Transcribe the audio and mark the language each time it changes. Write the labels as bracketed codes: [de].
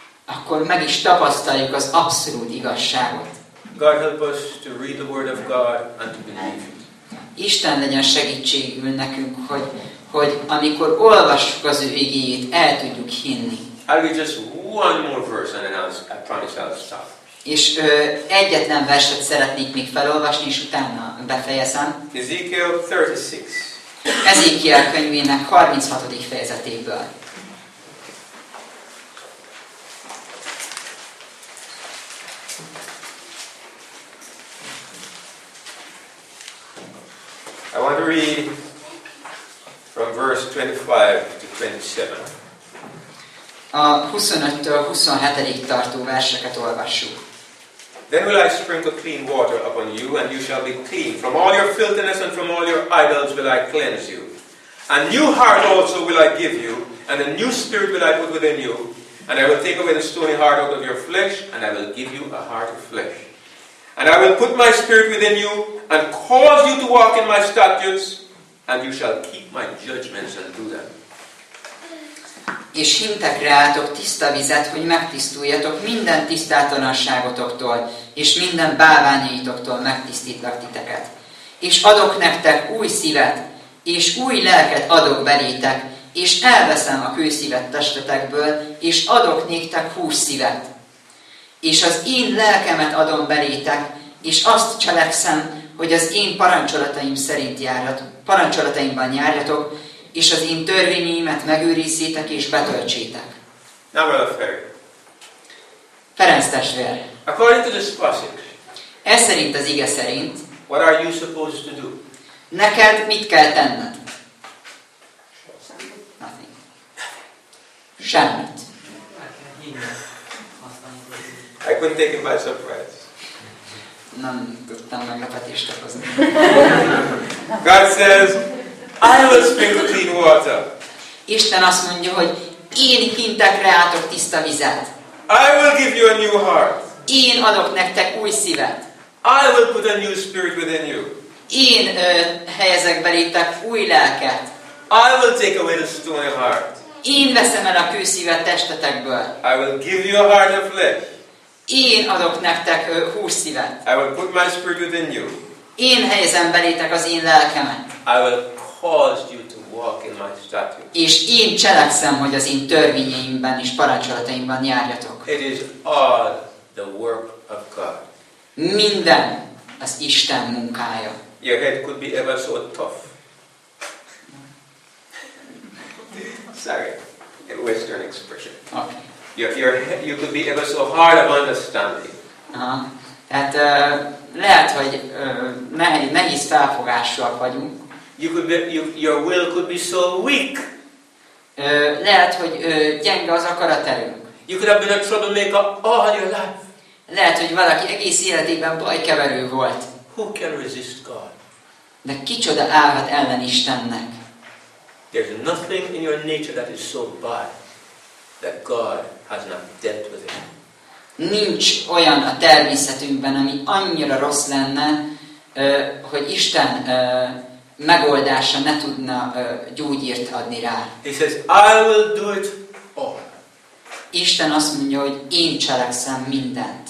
[hu] Akkor meg is tapasztaljuk az abszolút igazságot. [en] God help us to read the word of God and to believe it. [hu] Isten legyen segítségül nekünk, hogy amikor olvassuk az ő igéjét, el tudjuk hinni. [en] I'll read just one more verse and then I promise I'll stop. [hu] És egyetlen verset szeretnék még felolvasni, és utána befejezem. [en] Ezekiel 36. [hu] Ezekiel könyvének 36. fejezetéből. [en] I want to read from verse 25 to 27. [hu] A 25-től 27-ig tartó verseket olvassuk. [en] Then will I sprinkle clean water upon you, and you shall be clean. From all your filthiness and from all your idols will I cleanse you. A new heart also will I give you, and a new spirit will I put within you. And I will take away the stony heart out of your flesh, and I will give you a heart of flesh. And I will put my spirit within you, and cause you to walk in my statutes, and you shall keep my judgments and do them. [hu] És hintek reátok tiszta vizet, hogy megtisztuljatok minden tisztátalanságotoktól, és minden bálványaitoktól megtisztítlak titeket. És adok nektek új szívet, és új lelket adok belétek, és elveszem a kőszívet testetekből, és adok néktek hús szívet. És az én lelkemet adom belétek, és azt cselekszem, hogy az én parancsolataim szerint parancsolataimban járjatok, és az én törvényeimet megőrizzétek és betöltsétek. [en] Now, brother Ferry. [hu] Ferenc testvér. [en] According to this passage. [hu] Ez szerint az ige szerint. [en] What are you supposed to do? [hu] Neked mit kell tenned? [en] Nothing. [hu] Semmit. [en] I couldn't take it by surprise. [hu] Nem tudtam meglepetést okozni. [en] God says, I will sprinkle clean water. [hu] Isten azt mondja, hogy én hintek reátok tiszta vizet. [en] I will give you a new heart. [hu] Én adok nektek új szívet. [en] I will put a new spirit within you. [hu] Én helyezek belétek új lelket. [en] I will take away the stony heart. [hu] Én veszem el a kőszívet testetekből. [en] I will give you a heart of flesh. [hu] Én adok nektek hús szívet. [en] I will put my spirit within you. [hu] Én helyezem belétek az én lelkemet. [en] I will caused you to walk in my statutes. [hu] És én cselekszem, hogy az én törvényeimben és parancsolataimban járjatok. [en] It is all the work of God. [hu] Minden az Isten munkája. [en] Your head could be ever so tough. Sorry, a Western expression. Okay. Your head, you could be ever so hard of understanding. [hu] Tehát lehet, hogy nehéz felfogásúak vagyunk. [en] You could be, your will could be so weak. [hu] Lehet, hogy gyenge az akaraterünk. [en] You could have been a troublemaker all your life. [hu] Lehet, hogy valaki egész életében bajkeverő volt. [en] Who can resist God? [hu] De kicsoda állhat ellen Istennek? [en] There's nothing in your nature that is so vile that God has not dealt with it. [hu] Nincs olyan a természetünkben, ami annyira rossz lenne, hogy Isten megoldása ne tudna gyógyírt adni rá. [en] He says, I will do it all. [hu] Isten azt mondja, hogy én cselekszem mindent.